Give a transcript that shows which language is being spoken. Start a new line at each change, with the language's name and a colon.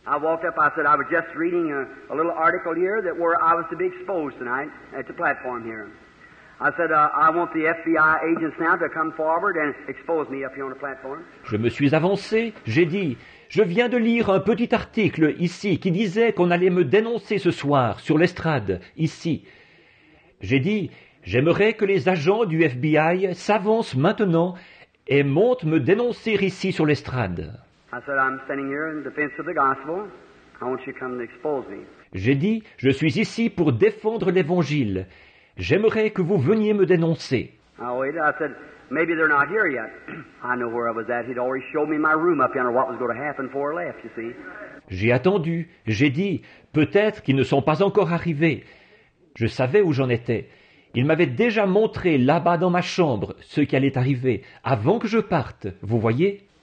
English: I walked up, I said, I was just reading a little article here that where I was to be exposed tonight at the platform here. I said, I want the FBI agents now to come forward and expose me up here on the platform.
French: Je me suis avancé, j'ai dit, je viens de lire un petit article ici qui disait qu'on allait me dénoncer ce soir sur l'estrade, ici. J'ai dit, j'aimerais que les agents du FBI s'avancent maintenant et monte me dénoncer ici sur l'estrade.
English: I said, I'm standing here in defense of the gospel. I want you to come and expose me.
French: J'ai dit, je suis ici pour défendre l'évangile. J'aimerais que vous veniez me dénoncer.
English: I said, maybe they're not here yet. I know where I was at. He'd already showed me my room up yonder, what was going to happen before I left, you see.
French: J'ai attendu. J'ai dit, peut-être qu'ils ne sont pas encore arrivés. Je savais où j'en étais. Il m'avait déjà montré là-bas dans ma chambre ce qui allait arriver avant que je parte, vous voyez?